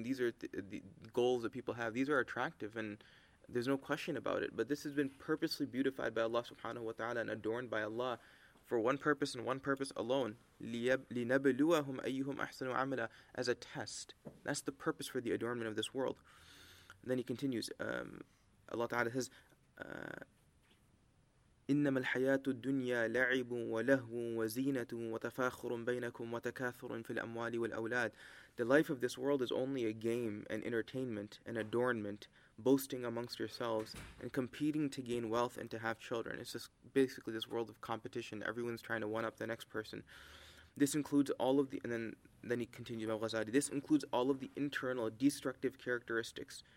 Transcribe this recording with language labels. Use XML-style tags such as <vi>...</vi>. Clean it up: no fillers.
<en>And these are the goals that people have. These are attractive and there's no question about it. But this has been purposely beautified by Allah subhanahu wa ta'ala and adorned by Allah for one purpose and one purpose alone.</en> <ar>لِنَبْلُوَهُمْ أَيُّهُمْ أَحْسَنُ عَمَلًا,</ar> <en>as a test. That's the purpose for the adornment of this world. And then he continues. Allah ta'ala says,</en> <ar>إنما الحياة الدنيا لعب ولهو وزينة وتفاخر بينكم وتكاثر في الأموال والأولاد.</ar> <en>The life of this world is only a game, an entertainment, an adornment, boasting amongst yourselves and competing to gain wealth and to have children. It's just basically this world of competition. Everyone's trying to one up the next person. This includes all of the, and then he continues, Al-Ghazali, this includes all of the internal destructive characteristics.</en>